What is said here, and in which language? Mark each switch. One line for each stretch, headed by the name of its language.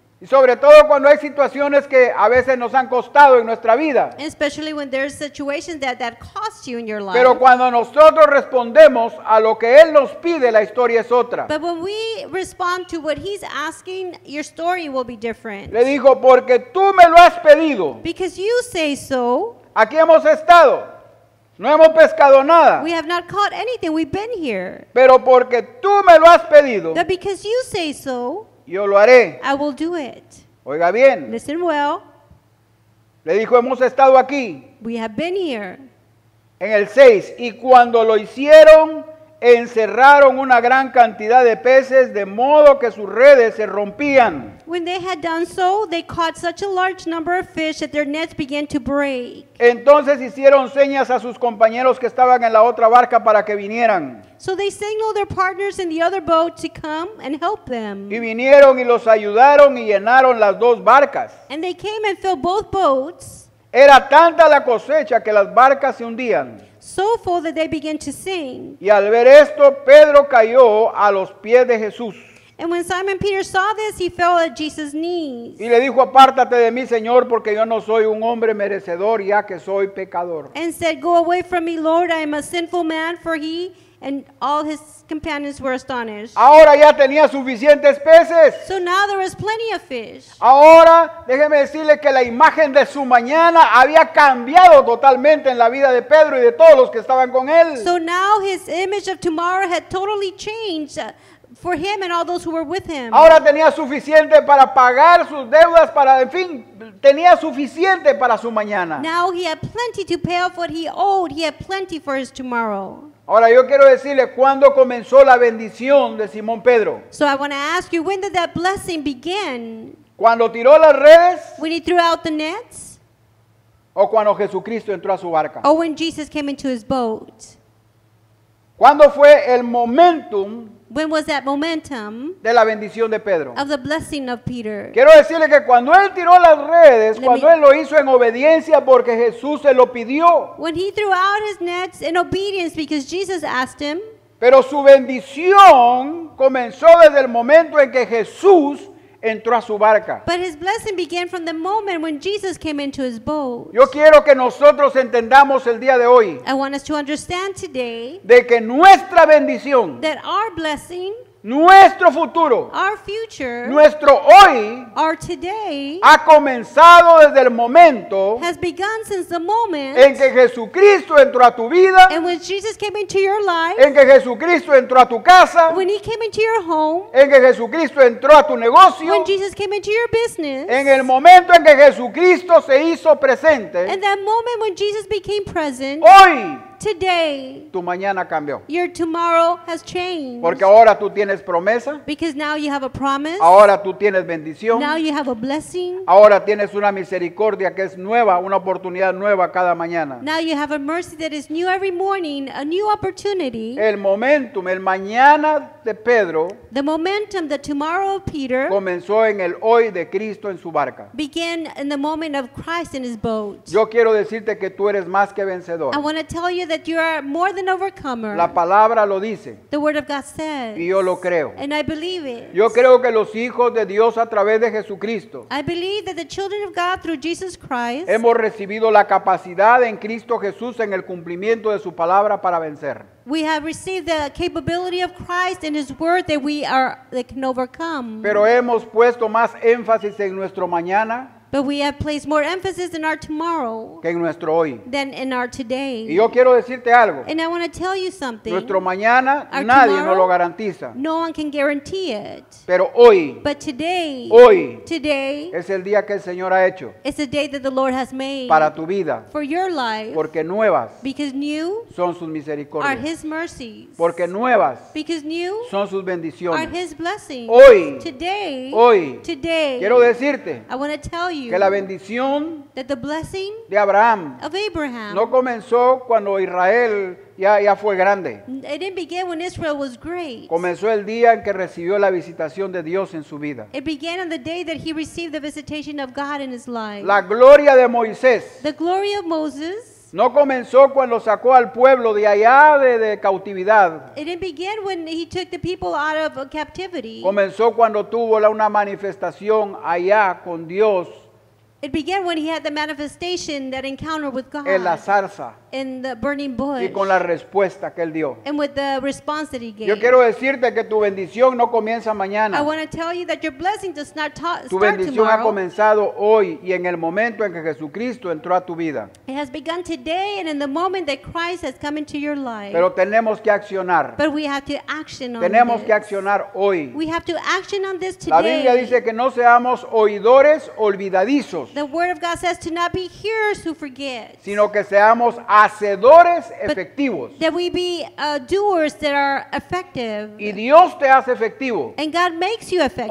Spanish: Y sobre todo cuando hay situaciones que a veces nos han costado en nuestra vida.
English: Especially when there's situations that cost you in your life.
Spanish: Pero cuando nosotros respondemos a lo que Él nos pide, la historia es otra.
English: But when we respond to what He's asking, your story will be different.
Spanish: Le dijo, porque tú me lo has pedido.
English: Because you say so.
Spanish: Aquí hemos estado. No hemos pescado nada.
English: We have not caught anything. We've been here.
Spanish: Pero porque tú me lo has pedido.
English: But because you say so.
Spanish: Yo lo haré.
English: I will do it.
Spanish: Oiga bien.
English: Listen well.
Spanish: Le dijo, hemos estado aquí.
English: We have been here.
Spanish: En el 6. Y cuando lo hicieron, encerraron una gran cantidad de peces de modo que sus redes se rompían.
English: When they had done so, they caught such a large number of fish that their nets began to break.
Spanish: Entonces hicieron señas a sus compañeros que estaban en la otra barca para que vinieran.
English: So they signaled their partners in the other boat to come and help them.
Spanish: Y vinieron y los ayudaron y llenaron las dos barcas.
English: And they came and filled both boats.
Spanish: Era tanta la cosecha que las barcas se hundían.
English: So full that they began to sing.
Spanish: Y al ver esto, Pedro cayó a los pies de Jesús.
English: And when Simon Peter saw this, he fell at Jesus' knees.
Spanish: Y le dijo, apártate de mí, Señor, porque yo no soy un hombre merecedor, ya que soy pecador.
English: And said, go away from me, Lord, I am a sinful man, for he and all his companions were astonished.
Spanish: Ahora ya tenía suficientes peces.
English: So now there was plenty of fish.
Spanish: Ahora, déjeme decirle que la imagen de su mañana había cambiado totalmente en la vida de Pedro y de todos los que estaban con él.
English: So now his image of tomorrow had totally changed for him and all those who were with him.
Spanish: Ahora tenía suficiente para pagar sus deudas, para, en fin, tenía suficiente para su mañana.
English: Now he had plenty to pay off what he owed. He had plenty for his tomorrow.
Spanish: Ahora yo quiero decirle, ¿cuándo comenzó la bendición de Simón Pedro?
English: So I want to ask you, when did that blessing begin?
Spanish: ¿Cuando tiró las redes?
English: When he threw out the nets?
Spanish: ¿O cuando Jesucristo entró a su barca?
English: Or when Jesus came into his boat?
Spanish: ¿Cuándo fue el momentum?
English: When was that momentum?
Spanish: De la bendición de Pedro.
English: Of the blessing of Peter.
Spanish: Quiero decirle que cuando él tiró las redes, él lo hizo en obediencia porque Jesús se lo pidió.
English: When he threw out his nets in obedience because Jesus asked him.
Spanish: Pero su bendición comenzó desde el momento en que Jesús entró a su barca.
English: But his blessing began from the moment when Jesus came into his boat.
Spanish: Yo quiero que nosotros entendamos el día de hoy.
English: I want us to understand today.
Spanish: De que nuestra bendición.
English: That our blessing.
Spanish: Nuestro futuro.
English: Our future.
Spanish: Nuestro hoy.
English: Our today.
Spanish: Ha comenzado desde el momento.
English: Has begun since the moment.
Spanish: En que Jesucristo entró a tu vida.
English: And when Jesus came into your life.
Spanish: En que Jesucristo entró a tu casa.
English: When he came into your home.
Spanish: En que Jesucristo entró a tu negocio.
English: When Jesus came into your business.
Spanish: En el momento en que Jesucristo se hizo presente.
English: And that moment when Jesus became present.
Spanish: Hoy.
English: Today,
Spanish: tu mañana cambió.
English: Your tomorrow has changed.
Spanish: Porque ahora tú tienes promesa.
English: Because now you have a promise.
Spanish: Ahora tú tienes bendición.
English: Now you have a blessing.
Spanish: Ahora tienes una misericordia que es nueva, una oportunidad nueva cada mañana.
English: Now you have a mercy that is new every morning, a new opportunity.
Spanish: El momentum, el mañana de Pedro.
English: The momentum, the tomorrow of Peter.
Spanish: Comenzó en el hoy de Cristo en su barca.
English: Began in the moment of Christ in his boat.
Spanish: Yo quiero decirte que tú eres más que vencedor.
English: I want to tell you that you are more than overcomer.
Spanish: La palabra lo dice.
English: The word of God says.
Spanish: Y yo lo creo.
English: And I believe it.
Spanish: Yo creo que los hijos de Dios a través de Jesucristo.
English: I believe that the children of God through Jesus Christ.
Spanish: Hemos recibido la capacidad en Cristo Jesús en el cumplimiento de su palabra para vencer.
English: We have received the capability of Christ in his word that we are that can overcome.
Spanish: Pero hemos puesto más énfasis en nuestro mañana.
English: But we have placed more emphasis in our tomorrow
Spanish: que en nuestro hoy.
English: Than in our today.
Spanish: Y yo quiero decirte algo.
English: And I want to tell you something.
Spanish: Nuestro mañana,
English: our
Spanish: nadie
English: tomorrow,
Spanish: no lo garantiza.
English: No one can guarantee it.
Spanish: Pero hoy,
English: but today,
Spanish: hoy,
English: today
Spanish: es el día que el Señor ha hecho.
English: It's the day that the Lord has made
Spanish: para tu vida.
English: For your life.
Spanish: Porque nuevas
English: because new
Spanish: son sus misericordias.
English: Are his mercies.
Spanish: Porque nuevas
English: because new
Spanish: son sus bendiciones.
English: Are his blessings.
Spanish: Hoy,
English: today,
Spanish: hoy,
English: today,
Spanish: quiero decirte,
English: I want to tell you
Spanish: que la bendición
English: that the blessing
Spanish: de Abraham,
English: of Abraham
Spanish: no comenzó cuando Israel ya fue grande.
English: It didn't begin when Israel was great.
Spanish: Comenzó el día en que recibió la visitación de Dios en su vida.
English: It began on the day that he received the visitation of God in his life.
Spanish: La gloria de Moisés,
English: the glory of Moses,
Spanish: no comenzó cuando sacó al pueblo de allá de cautividad.
English: It didn't begin when he took the people out of captivity.
Spanish: Comenzó cuando tuvo una manifestación allá con Dios.
English: It began when he had the manifestation, that encounter with God.
Spanish: En la zarza.
English: In the burning bush.
Spanish: Y con la respuesta que él dio.
English: And with the response that he gave.
Spanish: Yo quiero decirte que tu bendición no comienza mañana.
English: I want to tell you that your blessing does not start tomorrow.
Spanish: Tu bendición ha comenzado hoy y en el momento en que Jesucristo entró a tu vida.
English: It has begun today and in the moment that Christ has come into your life.
Spanish: Pero tenemos que accionar.
English: But we have to action on
Spanish: tenemos
English: this.
Spanish: Que accionar hoy.
English: We have to action on this today.
Spanish: La Biblia dice que no seamos oidores olvidadizos.
English: The word of God says to not be hearers who forget,
Spanish: sino que seamos hacedores efectivos.
English: That we be doers that are effective.
Spanish: Y Dios te hace efectivo.
English: And God makes you effective.